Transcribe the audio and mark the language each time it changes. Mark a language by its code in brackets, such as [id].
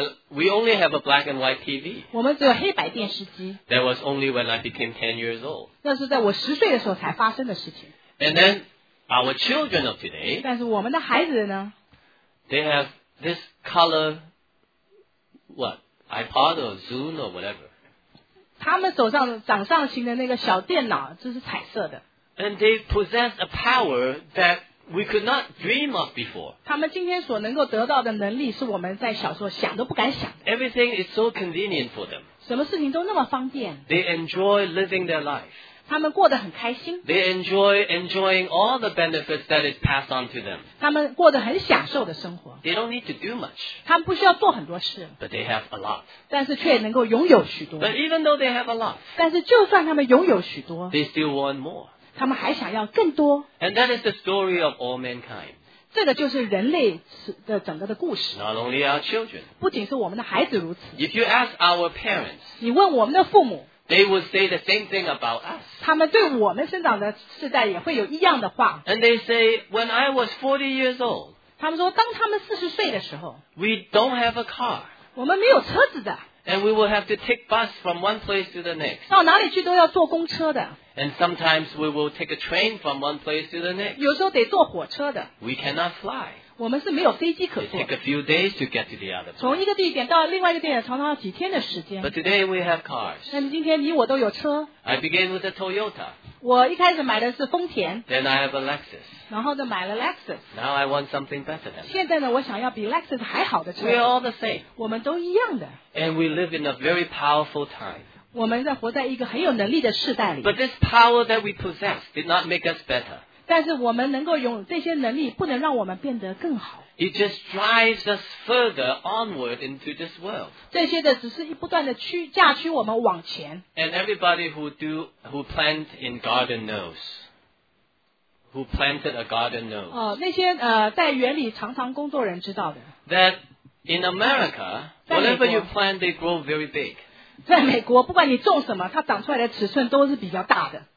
[en] We only have a black and white TV. [zh] 我们只有黑白电视机。 [en] That was only when I became 10 years old. [zh] 那是在我十岁的时候才发生的事情。 [en] And then our children of today. [zh] 但是我们的孩子呢 [en] ？They have this color, what iPod or Zoom or whatever. [zh] 他们手上掌上型的那个小电脑，这是彩色的。 [en] And they possess a power that. We could not dream of before. [zh] 他们今天所能够得到的能力是我们在小时候想都不敢想的。 [en] Everything is so convenient for them. [zh] 什么事情都那么方便。 [en] They enjoy living their life. [zh] 他们过得很开心。 [en] They enjoy enjoying all the benefits that is passed on to them. [zh] 他们过得很享受的生活。 [en] They don't need to do much. [zh] 他们不需要做很多事。 [en] But they have a lot. [zh] 但是却能够拥有许多。 [en] But even though they have a lot. [zh] 但是就算他们拥有许多。 [en] They still want more. [zh] 他们还想要更多。 [en] And that is the story of all mankind. [zh] 这个就是人类的整个的故事。 [en] Not only our children. [zh] 不仅是我们的孩子如此。 [en] If you ask our parents, [zh] 你问我们的父母。 [en] They would say the same thing about us. [zh] 他们对我们生长的世代也会有一样的话。 [en] And they say, when I was 40 years old, [zh] 他们说当他们40岁的时候。 [en] We don't have a car. [zh] 我们没有车子的。 [en] And we will have to take bus from one place to the next. [zh] 到哪里去都要坐公车的。 [en] And sometimes we will take a train from one place to the next. [zh] 有时候得坐火车的。 [en] We cannot fly. [zh] 我们是没有飞机可坐。 [en] It takes a few days to get to the other place. [zh] 从一个地点到另外一个地点常常要几天的时间。 [en] But today we have cars. [zh] 那么今天你我都有车。 [en] I began with a Toyota. [zh] 我一开始买的是丰田。 [en] Then I have a Lexus. [zh] 然后就买了 Lexus. [en] Now I want something better than that. [zh] 现在呢，我想要比 Lexus 还好的车。 [en] We are all the same. [zh] 我们都一样的。 [en] And we live in a very powerful time. [zh] 我们在活在一个很有能力的世代里。 [en] But this power that we possess did not make us better. [zh] 但是我们能够拥有这些能力，不能让我们变得更好。 [en] It just drives us further onward into this world. [zh] 这些的只是不断的驾驱我们往前。 [en] And everybody who plant in garden knows, who planted a garden knows. [zh] 那些在园里常常工作人知道的。 [en] That in America, whatever you plant, they grow very big. [zh] 在美国，不管你种什么，它长出来的尺寸都是比较大的。